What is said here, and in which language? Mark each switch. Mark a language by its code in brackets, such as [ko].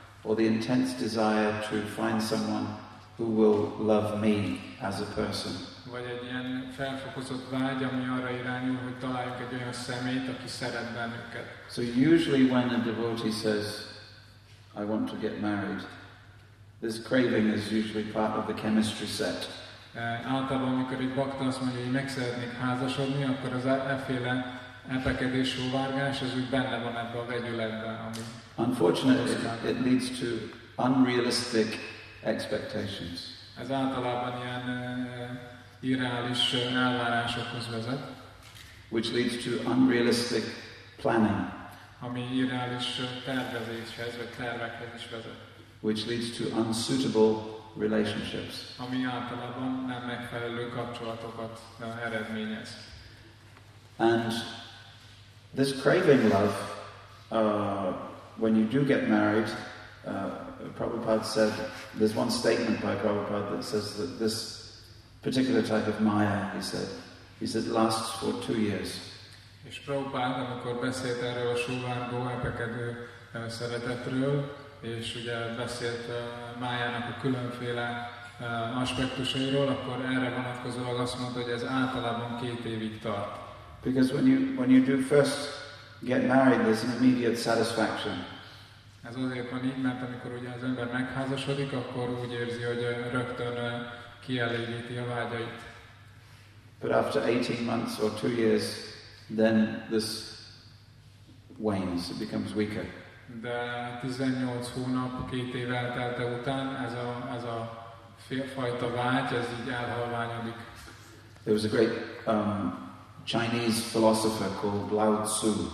[en] Or the intense desire to find someone who will love me as a person. [hu] Vagy egy ilyen felfokozott vágy, ami arra irányul, hogy találjuk egy olyan szemét, aki szeret bennünket. [en] So usually when a devotee says, I want to get married, this craving is usually part of the chemistry set. [hu] Általában, amikor egy bakta azt mondja, hogy meg szeretnék házasodni, akkor az efféle epekedés, sóvárgás, ez úgy benne van ebben a vegyületben. [en] Unfortunately, it leads to unrealistic expectations. [hu] Ez általában ilyen irreális elvárásokhoz vezet. [en] Which leads to unrealistic planning. [hu] Ami irreális tervezéshez, vagy tervekhez is vezet. [en] Which leads to unsuitable relationships. [hu] Ami általában nem megfelelő kapcsolatokat eredményez. [en] And this craving love, when you do get married, Prabhupada said, there's one statement by Prabhupada that says that this particular type of maya, he said, lasts for 2 years. [hu] És Prabhupada, amikor beszélt erről a suvárgó epekedő szeretetről, és ugye beszélt májának a különféle aspektusairól, akkor erre vonatkozólag azt mondta, hogy ez általában 2 évig tart. [en] Because when you do first get married, there's an immediate satisfaction. [hu] Ez azért van így, mert amikor ugye az ember megházasodik, akkor úgy érzi, hogy rögtön kielégíti a vágyait. [en] But after 18 months or 2 years, then this wanes, it becomes weaker. [hu] De 18 hónap, 2 év eltelte után ez a fajta vágy, ez így elhalványodik. [en] There was a great Chinese philosopher called Lao Tzu.